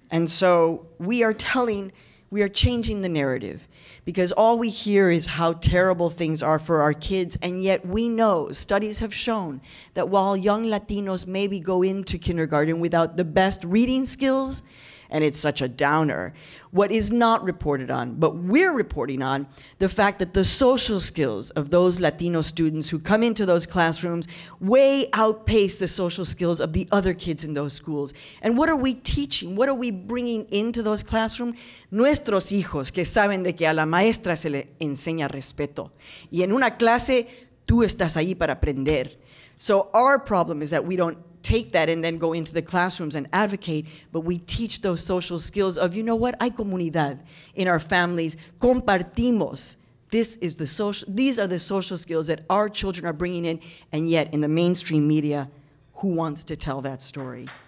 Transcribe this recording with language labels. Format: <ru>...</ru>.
<en>And so we are telling, we are changing the narrative, because all we hear is how terrible things are for our kids, and yet we know, studies have shown, that while young Latinos maybe go into kindergarten without the best reading skills, and it's such a downer, what is not reported on, but we're reporting on, the fact that the social skills of those Latino students who come into those classrooms way outpace the social skills of the other kids in those schools. And what are we teaching? What are we bringing into those classrooms?</en> <es>Nuestros hijos que saben de que a la maestra se le enseña respeto. Y en una clase, tú estás ahí para aprender.</es> <en>So our problem is that we don't take that and then go into the classrooms and advocate, but we teach those social skills of, you know what,</en> <es>hay comunidad</es> <en>in our families,</en> <es>compartimos.</es> <en>This is the social, these are the social skills that our children are bringing in, and yet in the mainstream media, who wants to tell that story?</en>